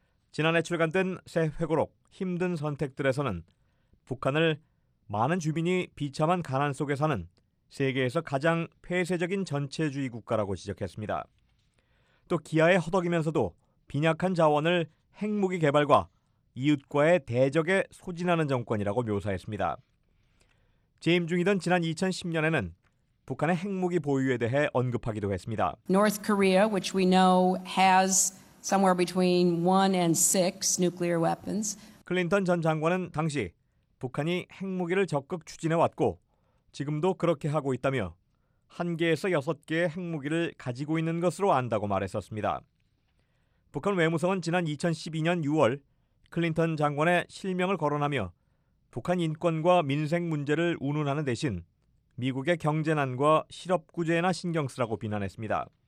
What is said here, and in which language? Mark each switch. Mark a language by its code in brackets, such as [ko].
[ko] 지난해 출간된 새 회고록 힘든 선택들에서는 북한을 많은 주민이 비참한 가난 속에 사는 세계에서 가장 폐쇄적인 전체주의 국가라고 지적했습니다. 또 기아에 허덕이면서도 빈약한 자원을 핵무기 개발과 이웃과의 대적에 소진하는 정권이라고 묘사했습니다. 재임 중이던 지난 2010년에는 북한의 핵무기 보유에 대해 언급하기도 했습니다. [en] North Korea, which we know has somewhere between one and six nuclear weapons. [ko] 클린턴 전 장관은 당시 북한이 핵무기를 적극 추진해 왔고 지금도 그렇게 하고 있다며 한 개에서 여섯 개의 핵무기를 가지고 있는 것으로 안다고 말했었습니다. 북한 외무성은 지난 2012년 6월 클린턴 장관의 실명을 거론하며 북한 인권과 민생 문제를 운운하는 대신 미국의 경제난과 실업구제에나 신경 쓰라고 비난했습니다.